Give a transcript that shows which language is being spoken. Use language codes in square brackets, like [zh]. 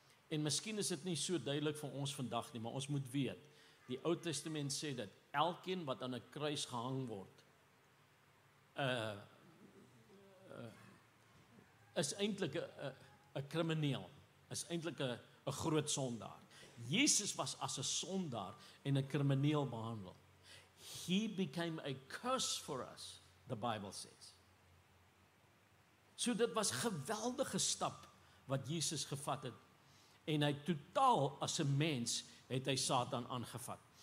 [af] En miskien is dit nie so duidelik vir ons vandag nie, maar ons moet weet, die Ou Testament sê dat elkeen wat aan 'n kruis gehang word, is eintlik 'n krimineel, is eintlik 'n groot sondaar. Jesus was as 'n sondaar en 'n krimineel behandel. [en] He became a curse for us, the Bible says. [af] So dit was 'n geweldige stap wat Jesus gevat het, en hy totaal as 'n mens het hy Satan aangevat.